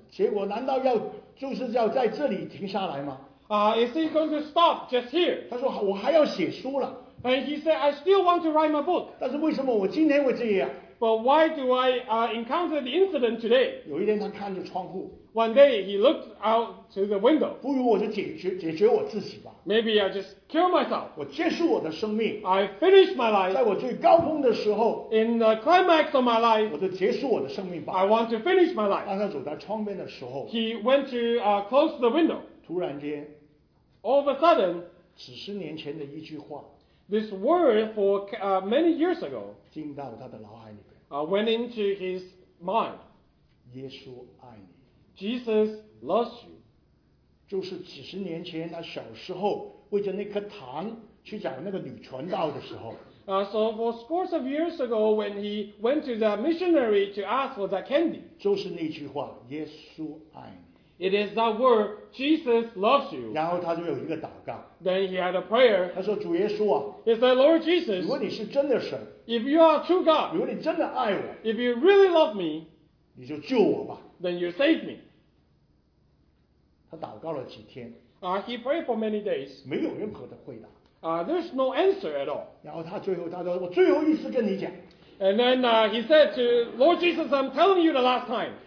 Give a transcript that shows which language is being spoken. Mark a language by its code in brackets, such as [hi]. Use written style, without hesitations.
[zh] 结果难道要就是要在这里停下来吗 [en] ？Is he going to stop just here? [zh] 他说我还要写书了。 [en] And he said, I still want to write my book. [zh] 但是为什么我今天会这样 [en] ？But why do I encounter the incident today? [zh] 有一天他看着窗户。 [en] One day he looked out to the window. [zh] 不如我就解决我自己吧。 [en] Maybe I just kill myself. [zh] 我结束我的生命。 [en] I finish my life. [zh] 在我最高峰的时候。 [en] In the climax of my life. [zh] 我就结束我的生命吧。 [en] I want to finish my life. [zh] 当他走在窗边的时候。 [en] He went to close the window. [zh] 突然间。 [en] All of a sudden. [zh] 几十年前的一句话。 [en] This word for many years ago. [zh] 进到他的脑海里面。 [en] Went into his mind. [zh] 耶稣爱你。 [en] Jesus loves you. [zh] 就是几十年前他小时候为着那颗糖去找那个女传道的时候。 [en] So for scores of years ago, when he went to the missionary to ask for that candy. [zh] 就是那句话，耶稣爱你。 [en] It is that word, Jesus loves you. [zh] 然后他就有一个祷告。 [en] Then he had a prayer. [zh] 他说主耶稣啊。 [en] He said, Lord Jesus. [zh] 如果你是真的神。 [en] If you are true God. [zh] 如果你真的爱我。 [en] If you really love me. [zh] 你就救我吧。 [en] Then you save me. [zh] 他祷告了几天。 [en] He prayed for many days. [zh] 没有任何的回答。 [en] There's no answer at all. [zh] 然后他最后他说我最后一次跟你讲。 [en] And then he said to Lord Jesus, I'm telling you the last time.